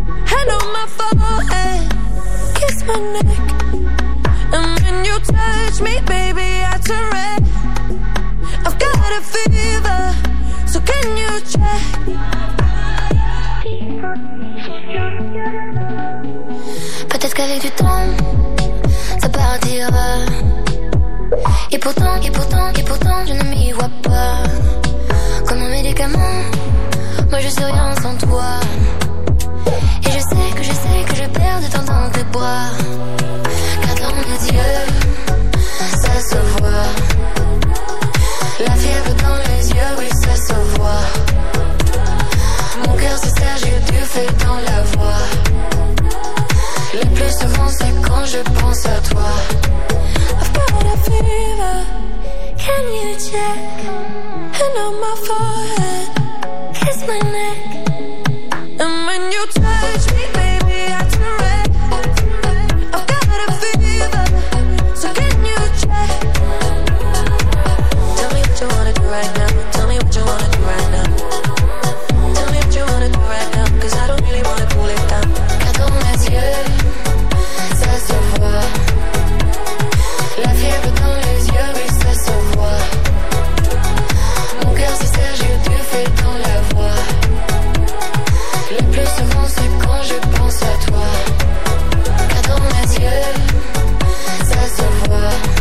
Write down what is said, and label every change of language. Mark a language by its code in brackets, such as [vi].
[en] Hand on my forehead, kiss my neck. And when you touch me, baby, I turn red. I've got a fever, so can you check? [fr] Peut-être qu'avec du temps, ça partira. Et pourtant, je ne m'y vois pas. Comme médicament. Moi je suis rien sans toi. Et je sais que je perds de temps dans tes bras. Car dans mes yeux, ça se voit. La fièvre dans les yeux, oui ça se voit. Mon cœur se serre, j'ai du feu dans la voix. Le plus souvent c'est quand je pense à toi. [en] I've got a fever, can you check? And on my forehead, kiss my neck. And when you touch me, baby, I turn red. I've got a fever, so can you check? Tell me what you wanna do right now. Tell me what you wanna do right now. Tell me what you wanna do right now. Cause I don't really wanna cool it down. [fr] Car dans mes yeux, ça se voit. La fièvre dans les yeux, oui, ça se voit. Mon cœur se serre, j'ai du feu dans la voix. Le plus souvent, c'est quand je pense à toi. Car dans mes yeux, ça se voit.